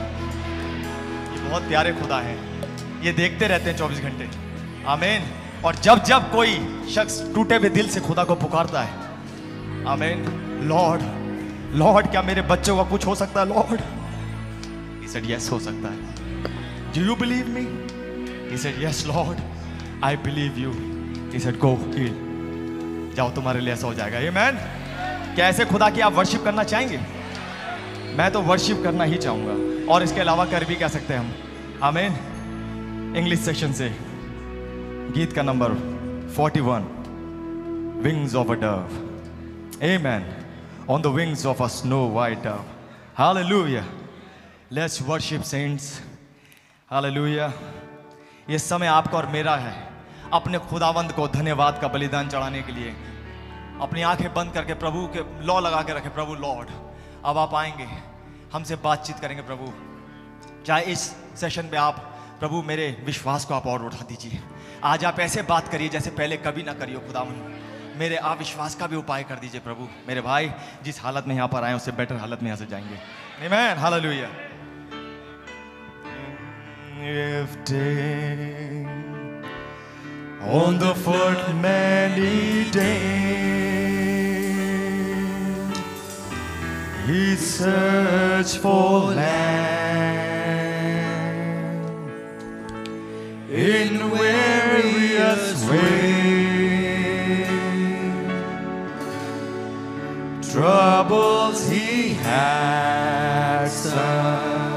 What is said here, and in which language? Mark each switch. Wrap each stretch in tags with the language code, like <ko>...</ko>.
<hi>ये बहुत प्यारे खुदा है, ये देखते रहते हैं 24 घंटे। आमीन। और जब जब कोई शख्स टूटे हुए दिल से खुदा को पुकारता है, आमीन, लॉर्ड लॉर्ड क्या मेरे बच्चों का कुछ हो सकता है लॉर्ड,</hi> <en>he said yes</en> <hi>हो सकता है।</hi> <en>Do you believe me? He said yes Lord, I believe you. He said go heal, जाओ तुम्हारे लिए ऐसा हो जाएगा। Amen.</en> <hi>कैसे खुदा की आप वर्शिप करना चाहेंगे? मैं तो वर्शिप करना ही चाहूंगा, और इसके अलावा कर भी कह सकते हैं हम। आमीन। इंग्लिश सेक्शन से गीत का number 41, wings of a Dove.</hi> <en>Amen. On the wings of a snow white dove. Hallelujah. Let's worship saints. Hallelujah.</en> <hi>ये समय आपका और मेरा है अपने खुदावंद को धन्यवाद का बलिदान चढ़ाने के लिए। अपनी आंखें बंद करके प्रभु के लॉ लगा के रखे, प्रभु लॉर्ड अब आप आएंगे, हमसे बातचीत करेंगे प्रभु। चाहे इस सेशन पे आप प्रभु मेरे विश्वास को आप और उठा दीजिए। आज आप ऐसे बात करिए जैसे पहले कभी ना करियो खुदावंद, मेरे अविश्वास का भी उपाय कर दीजिए प्रभु। मेरे भाई जिस हालत में यहाँ पर आए उसे बेटर हालत में यहाँ से जाएंगे। आमीन। Hallelujah.</hi> <en>Lifting on the foot many days, he searched for land in various ways, troubles he had some.</en>